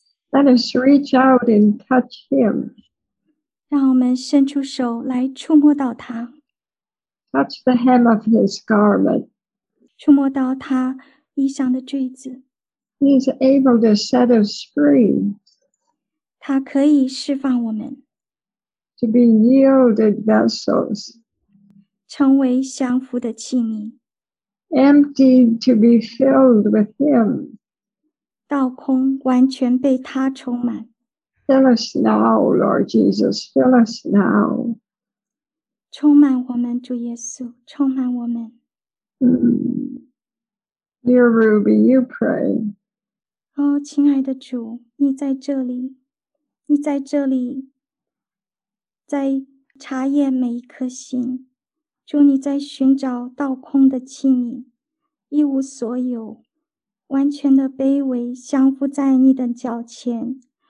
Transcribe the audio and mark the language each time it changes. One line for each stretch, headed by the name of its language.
English: Let us reach out and touch him.
Chinese: 让我们伸出手来触摸到他。
English: Touch the hem of his garment.
Chinese: 触摸到他衣裳的坠子。
English: He is able to set us free.
Chinese: 他可以释放我们。
English: To be yielded vessels.
Chinese: 成为降服的器皿。
English: Emptied to be filled with him.
Chinese: 倒空，完全被他充满。
English: Fill us now, Lord Jesus, fill us now.
Chinese: 充满我们，主耶稣，充满我们。
English: Dear Ruby, you pray.
Chinese: 哦，亲爱的主，你在这里，你在这里。在查验每一颗心，主，你在寻找倒空的器皿，一无所有，完全的卑微，降服在你的脚前。